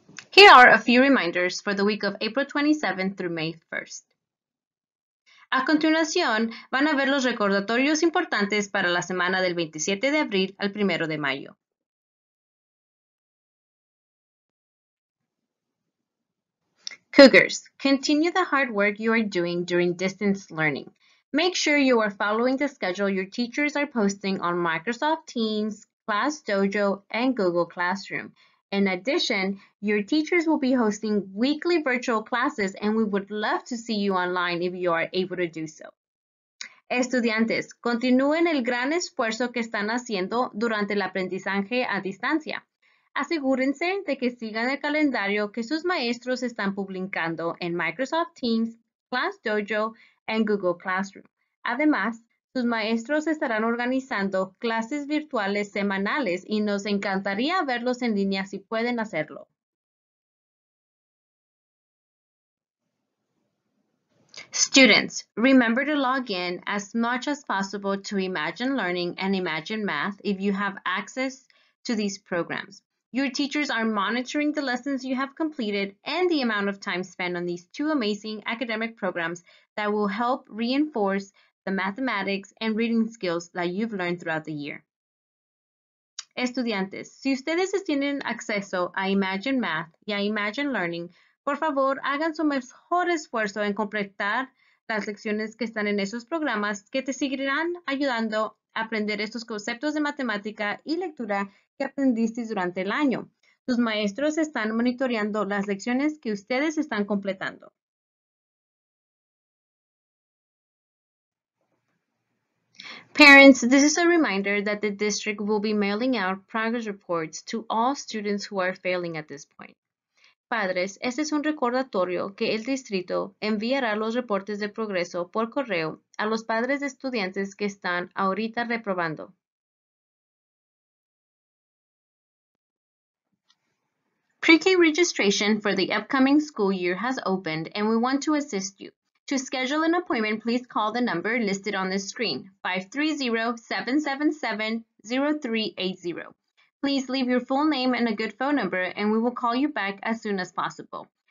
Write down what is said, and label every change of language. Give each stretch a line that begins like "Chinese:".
English: Here are a few reminders for the week of April 27th through May 1st.
Spanish: A continuación, van a ver los recordatorios importantes para la semana del 27 de abril al 1 de mayo.
English: Cougars, continue the hard work you are doing during distance learning. Make sure you are following the schedule your teachers are posting on Microsoft Teams, ClassDojo, and Google Classroom. In addition, your teachers will be hosting weekly virtual classes, and we would love to see you online if you are able to do so.
Spanish: Estudiantes, continúen el gran esfuerzo que están haciendo durante el aprendizaje a distancia. Asegúrense de que sigan el calendario que sus maestros están publicando en Microsoft Teams, ClassDojo, and Google Classroom. Además, sus maestros estarán organizando clases virtuales semanales y nos encantaría verlos en línea si pueden hacerlo.
English: Students, remember to log in as much as possible to Imagine Learning and Imagine Math if you have access to these programs. Your teachers are monitoring the lessons you have completed and the amount of time spent on these two amazing academic programs that will help reinforce the mathematics and reading skills that you've learned throughout the year.
Spanish: Estudiantes, si ustedes tienen acceso a Imagine Math y a Imagine Learning, por favor, hagan su mejor esfuerzo en completar las lecciones que están en esos programas que te seguirán ayudando a aprender estos conceptos de matemática y lectura que aprendisteis durante el año. Sus maestros están monitoreando las lecciones que ustedes están completando.
English: Parents, this is a reminder that the district will be mailing out progress reports to all students who are failing at this point.
Spanish: Padres, este es un recordatorio que el distrito enviará los reportes de progreso por correo a los padres de estudiantes que están ahorita reprobando.
English: Pre-K registration for the upcoming school year has opened and we want to assist you. To schedule an appointment, please call the number listed on the screen, 530-777-0380. Please leave your full name and a good phone number and we will call you back as soon as possible.